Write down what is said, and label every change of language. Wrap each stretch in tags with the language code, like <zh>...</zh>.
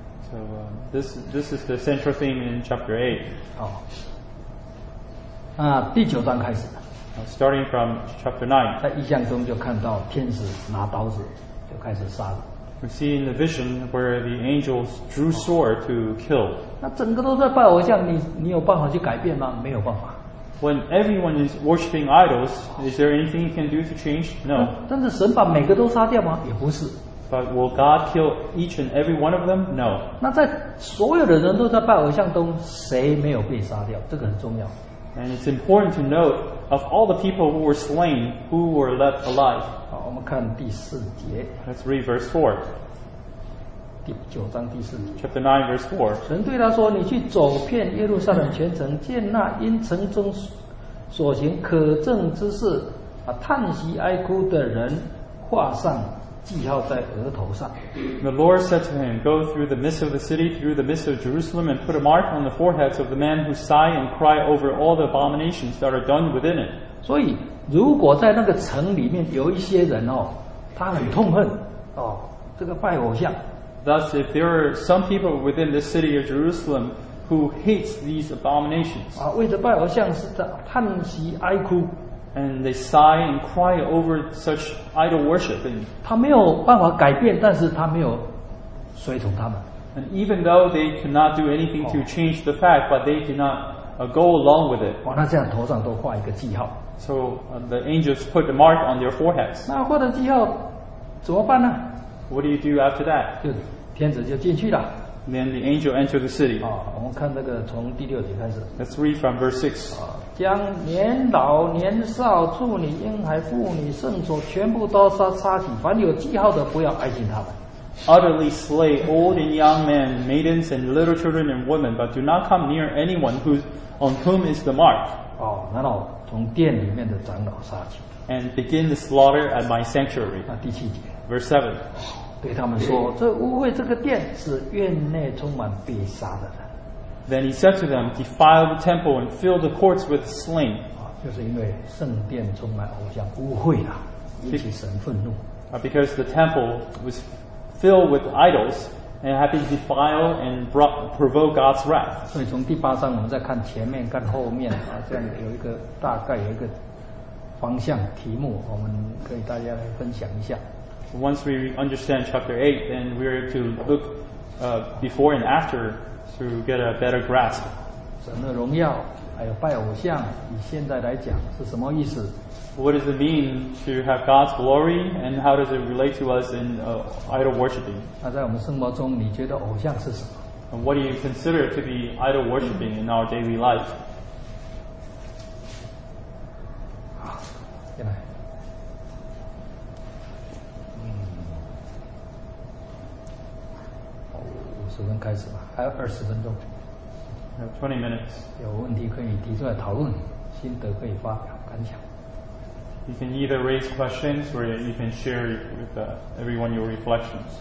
<en>So this is the central theme in chapter 8.</en> <zh>第九章开始。</zh> <en>Starting from chapter 9.</en> <zh>在异象中就看到天使拿刀子就开始杀了。</zh> <en>We see in the vision where the angels drew sword to kill.</en> <zh>那整个都在拜偶像，你有办法去改变吗？没有办法。</zh> <en>When everyone is worshiping idols, is there anything you can do to change? No.</en> <zh>但是神把每个都杀掉吗？也不是。</zh> <en>But will God kill each and every one of them? No.</en> <zh>那在所有的人都在拜偶像中，谁没有被杀掉？这个很重要。</zh> <en>And it's important to note of all the people who were slain, who were left alive.</en> <zh>好，我们看第四节。</zh> <en>Let's read verse 4.</en> <zh>第九章第四节。</zh> <en>Chapter 9, verse 4.</en> <zh>神对他说：“你去走遍耶路撒冷全城，见那因城中所行可憎之事啊，叹息哀哭的人，画上。”</zh> <en>The Lord said to him, Go through the midst of the city, through the midst of Jerusalem, and put a mark on the foreheads of the men who sigh and cry over all the abominations that are done within it.</en> <zh>所以如果在那个城里面有一些人他很痛恨这个拜偶像。</zh> <en>Thus, if there are some people within the city of Jerusalem who hates these abominations,</en> <zh>为着拜偶像是在叹息哀哭。</zh> <en>And they sigh and cry over such idol worship.</en> <zh>他没有办法改变，但是他没有随从他们。</zh> <en>And even though they cannot do anything to change the fact, but they cannot go along with it.</en> <zh>那这样头上都画一个记号。</zh> <en>So the angels put the mark on their foreheads.</en> <zh>那画的记号怎么办呢？</zh> <en>What do you do after that?</en> <zh>就天子就进去了。</zh> <en>Then the angel entered the city.</en> <zh>我们看那个从第六节开始。</zh> <en>Let's read from verse 6.</en> <zh>将年老年少处女婴孩妇女圣所全部都杀死，凡有记号的不要挨近他们。</zh> <en>Utterly slay old and young men, maidens and little children and women, but do not come near anyone who, on whom is the mark.</en> <zh>哦，然后从殿里面的长老杀去。</zh> <en>And begin the slaughter at my sanctuary.</en> <zh>那第七节。</zh> <en>Verse 7。</en> <zh>对他们说，这污秽这个殿是院内充满被杀的人。</zh> <en>Then he said to them, defile the temple and fill the courts with slain.</en> <zh>就是因为圣殿充满偶像污秽啊，引起神愤怒。</zh> <en>Because the temple was filled with idols and had been defiled and provoked God's wrath.</en> <zh>所以从第八章我们再看前面跟后面啊，这样有一个大概有一个方向题目，我们可以大家来分享一下。</zh> <en>Once we understand chapter 8, then we are to look before and after to get a better grasp.</en> <zh>神的荣耀还有拜偶像，以现在来讲是什么意思？</zh> <en>What does it mean to have God's glory, and how does it relate to us in idol worshiping?</en> <zh>那在我们生活中，你觉得偶像是什么？</zh> <en>And what do you consider to be idol worshiping in our daily life?</en> <zh>好，进来。十分开始吧，还有二十分钟。</zh> <en>Have 20 minutes.</en> <zh>有问题可以提出来讨论，心得可以发表感想。</zh> <en>You can either raise questions or you can share with everyone your reflections.</en>